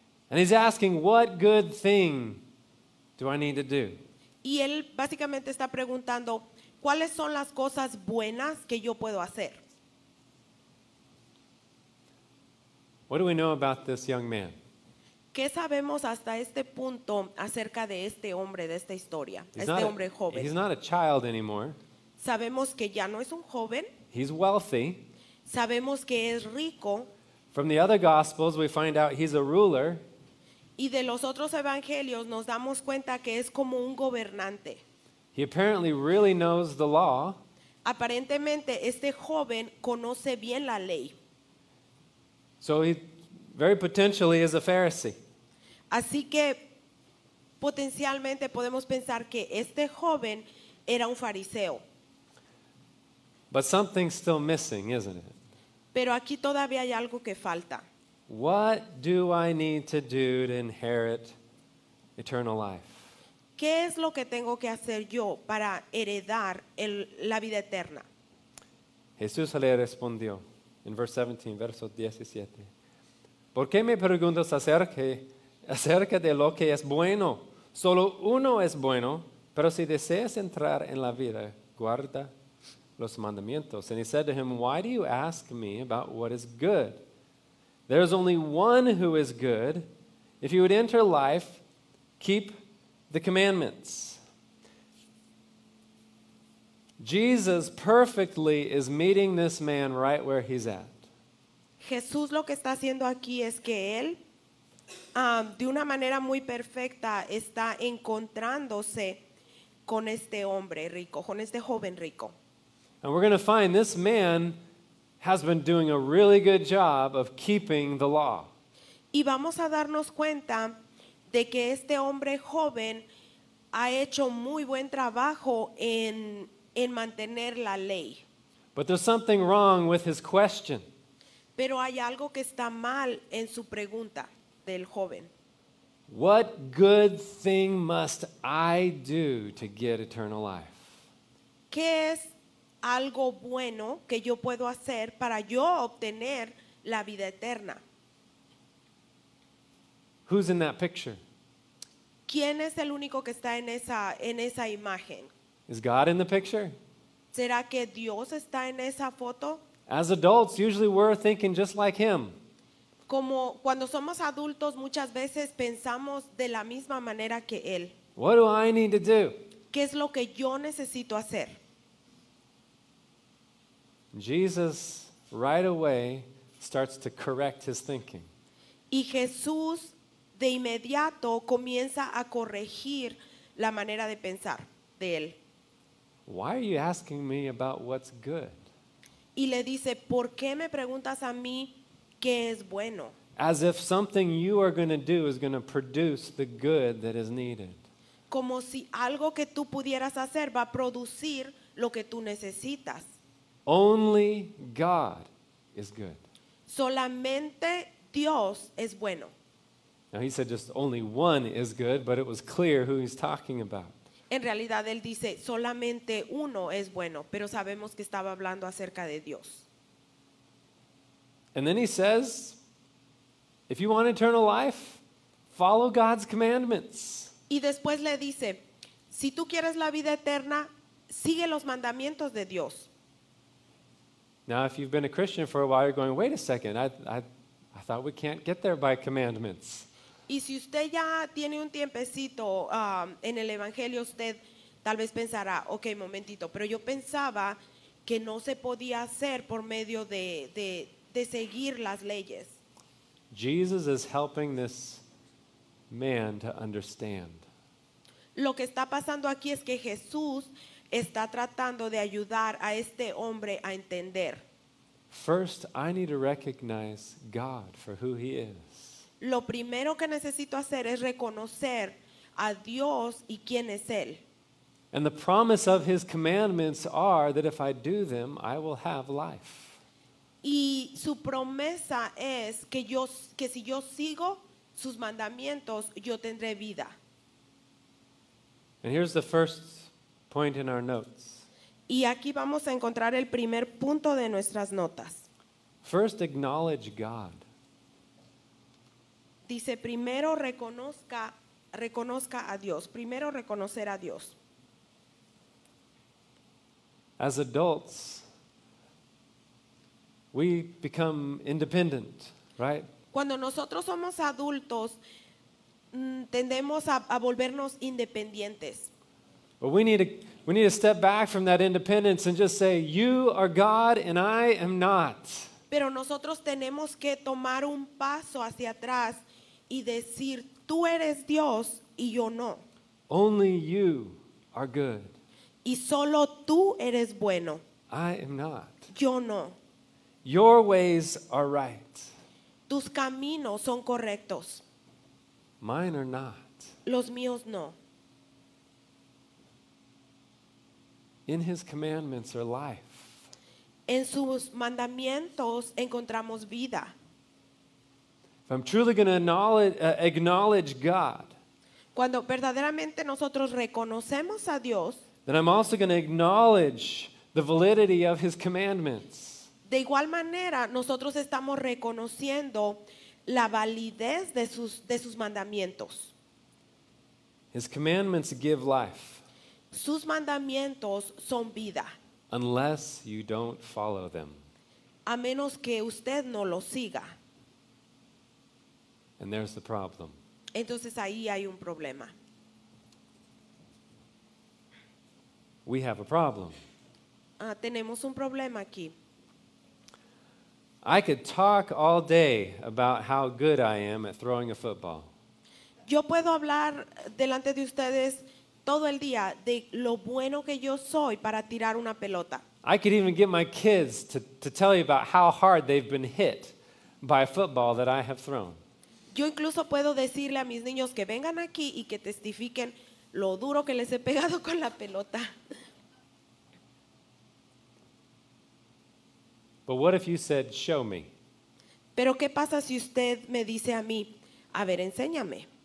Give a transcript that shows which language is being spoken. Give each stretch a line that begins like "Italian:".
English: And he's asking, "What good thing do I need to do?"
Spanish: Y él básicamente está preguntando, ¿cuáles son las cosas buenas que yo puedo hacer?
English: What do we know about this young man?
Spanish: ¿Qué sabemos hasta este punto acerca de este hombre, de esta historia, este hombre joven?
English: He's not a child anymore.
Spanish: Sabemos que ya no es un joven.
English: He's wealthy.
Spanish: Sabemos que es rico.
English: From the other gospels, we find out he's a ruler.
Spanish: Y de los otros evangelios nos damos cuenta que es como un gobernante.
English: He apparently really knows the law.
Spanish: Aparentemente este joven conoce bien la ley.
English: So he very potentially is a Pharisee.
Spanish: Así que potencialmente podemos pensar que este joven era un fariseo.
English: But something's still missing, isn't it?
Spanish: Pero aquí todavía hay algo que falta.
English: What do I need to do to inherit eternal life?
Spanish: ¿Qué es lo que tengo que hacer yo para heredar la vida eterna? Jesús le respondió en verse 17, verso 17. ¿Por qué me preguntas acerca de lo que es bueno? Solo uno es bueno, pero si deseas entrar en la vida, guarda los mandamientos.
English: And he said to him, "Why do you ask me about what is good? There is only one who is good. If you would enter life, keep the commandments." Jesus perfectly is meeting this man right where he's at.
Spanish: Jesús lo que está haciendo aquí es que él de una manera muy perfecta está encontrándose con este hombre rico, con este joven rico.
English: And we're going to find this man has been doing a really good job of keeping the law.
Spanish: Y vamos a darnos cuenta de que este hombre joven ha hecho muy buen trabajo en mantener la ley.
English: But there's something wrong with his question.
Spanish: Pero hay algo que está mal en su pregunta del joven.
English: What good thing must I do to get eternal life?
Spanish: ¿Qué es algo bueno que yo puedo hacer para yo obtener la vida eterna?
English: Who's in that picture?
Spanish: ¿Quién es el único que está en esa imagen?
English: Is God in the picture?
Spanish: ¿Será que Dios está en esa foto?
English: As adults, usually we're thinking just like him.
Spanish: Como cuando somos adultos, muchas veces pensamos de la misma manera que él.
English: What do I need to do?
Spanish: ¿Qué es lo que yo necesito hacer?
English: Jesus right away starts to correct his thinking.
Spanish: Y Jesús de inmediato comienza a corregir la manera de pensar de él.
English: Why are you asking me about what's good?
Spanish: Y le dice, ¿por qué me preguntas a mí qué es bueno?
English: As if something you are going to do is going to produce the good that is needed.
Spanish: Como si algo que tú pudieras hacer va a producir lo que tú necesitas.
English: Only God is good.
Spanish: Solamente Dios es bueno.
English: Now he said just only one is good, but it was clear who he's talking about.
Spanish: En realidad él dice solamente uno es bueno, pero sabemos que estaba hablando acerca de Dios.
English: And then he says, if you want eternal life, follow God's commandments.
Spanish: Y después le dice, si tú quieres la vida eterna, sigue los mandamientos de Dios.
English: Now if you've been a Christian for a while, you're going, wait a second, I thought we can't get there by commandments.
Spanish: Y si usted ya tiene un tiempecito en el Evangelio, usted tal vez pensará, ok, momentito, pero yo pensaba que no se podía hacer por medio de seguir las leyes.
English: Jesus is helping this man to understand.
Spanish: Lo que está pasando aquí es que Jesús está tratando de ayudar a este hombre a entender.
English: First, I need to recognize God for who he is.
Spanish: Lo primero que necesito hacer es reconocer a Dios y quién es Él.
English: And the promise of His commandments are that if I do them, I will have life.
Spanish: Y su promesa es que si yo sigo sus mandamientos, yo tendré vida.
English: And here's the first point in our notes.
Spanish: Y aquí vamos a encontrar el primer punto de nuestras notas.
English: First, acknowledge God.
Spanish: Dice, primero reconozca a Dios. Primero reconocer a Dios.
English: As adults, we become independent, right?
Spanish: Cuando nosotros somos adultos, tendemos a volvernos independientes.
English: But we need to step back from that independence and just say, you are God and I am not.
Spanish: Pero nosotros tenemos que tomar un paso hacia atrás y decir, tú eres Dios y yo no.
English: Only you are good.
Spanish: Y solo tú eres bueno.
English: I am not.
Spanish: Yo no.
English: Your ways are right.
Spanish: Tus caminos son correctos.
English: Mine are not.
Spanish: Los míos no.
English: In his commandments are life.
Spanish: En sus mandamientos encontramos vida.
English: If I'm truly going to acknowledge God,
Spanish: cuando verdaderamente nosotros reconocemos a Dios,
English: then I'm also going to acknowledge the validity of His commandments.
Spanish: De igual manera, nosotros estamos reconociendo la validez de sus mandamientos.
English: His commandments give life.
Spanish: Sus mandamientos son vida.
English: Unless you don't follow them.
Spanish: A menos que usted no lo siga.
English: And there's the problem.
Spanish: Entonces ahí hay un problema.
English: We have a problem.
Spanish: tenemos un problema aquí.
English: I could talk all day about how good I am at throwing a football.
Spanish: Yo puedo hablar delante de ustedes todo el día de lo bueno que yo soy para tirar una pelota.
English: I could even get my kids to tell you about how hard they've been hit by a football that I have thrown.
Spanish: Yo incluso puedo decirle a mis niños que vengan aquí y que testifiquen lo duro que les he pegado con la pelota.
English: But what if you said, "Show me"?
Spanish: Pero qué pasa si usted me dice a mí, a ver, enséñame.